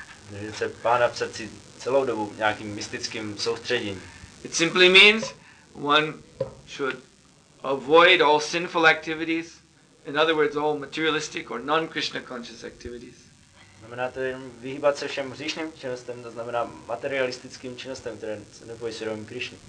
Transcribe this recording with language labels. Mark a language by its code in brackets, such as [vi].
[cs] Držet se Pána v srdci celou dobu nějakým mystickým soustředím. [en] It simply means one should avoid all sinful activities, in other words, all materialistic or non-Krishna conscious activities. [cs] Znamená to jenom vyhýbat se všem hříšným činnostem, to znamená materialistickým činnostem, které se nepojí svědomí Krišny.